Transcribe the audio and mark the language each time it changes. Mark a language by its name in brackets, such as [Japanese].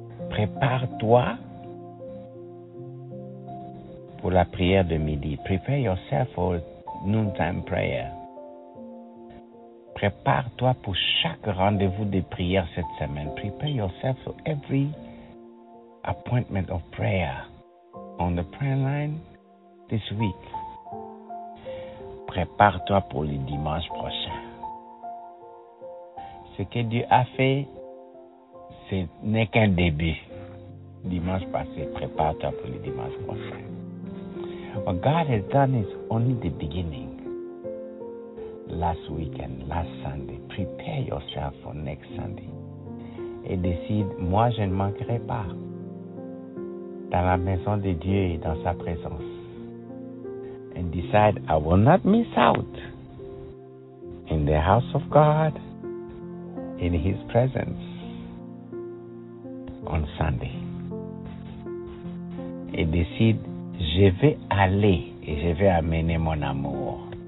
[French] Prépare-toi pour la prière de midi. [English] Prepare yourself for noontime prayer. [French] Prépare-toi pour chaque rendez-vous de prière cette semaine. [English] Prepare yourself for every appointment of prayer on the prayer line this week. [French] Prépare-toi pour le dimanche prochain. Ce que Dieu a fait, ce n'est qu'un début. Dimanche passé, prépare-toi pour le dimanche prochain. [English] What God has done is only the beginning. Last weekend, last Sunday, prepare yourself for next Sunday. [French] Et décide, moi je ne manquerai pas. Dans la maison de Dieu et dans sa présence. And decide, I will not miss out in the house of God, in His presence, on Sunday. Et décide, je vais aller et je vais amener mon amour.